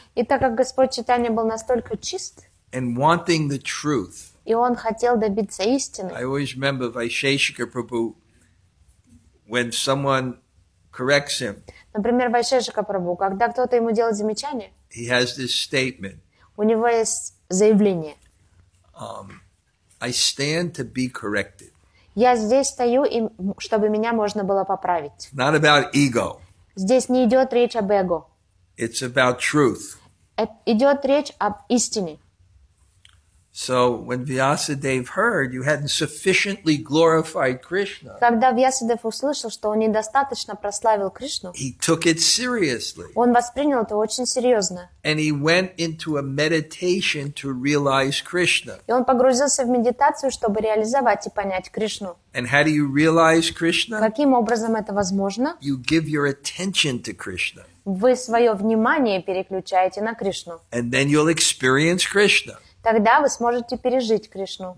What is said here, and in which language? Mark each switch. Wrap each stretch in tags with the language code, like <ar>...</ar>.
<ru>и так как Господь Читания был настолько чист,</ru> <en>and wanting the truth,</en> <ru>и он хотел добиться истины,</ru> <en>I always remember Vaisheshika Prabhu when someone corrects him.</en> <ru>Например, Вайшешика Прабху, когда кто-то ему делает замечание,</ru> <en>he has this statement.</en> <ru>У него есть заявление.</ru> <en>I stand to be corrected.</en> <ru>Я здесь стою, чтобы меня можно было поправить.</ru> <en>Not about ego.</en> <ru>Здесь не идет речь об эго.</ru> <en>It's about truth.</en> <ru>Идет речь об истине.</ru> <en>So when Vyasadev heard you hadn't sufficiently glorified Krishna,</en> <ru>когда Вьясадев услышал, что он недостаточно прославил Кришну,</ru> <en>he took it seriously.</en> <ru>Он воспринял это очень серьезно.</ru> <en>And he went into a meditation to realize Krishna.</en> <ru>И он погрузился в медитацию, чтобы реализовать и понять Кришну.</ru> <en>And how do you realize Krishna?</en> <ru>Каким образом это возможно?</ru> <en>You give your attention to Krishna.</en> <ru>Вы свое внимание переключаете на Кришну.</ru> <en>And then you'll experience Krishna.</en> <ru>Тогда вы сможете пережить Кришну,</ru>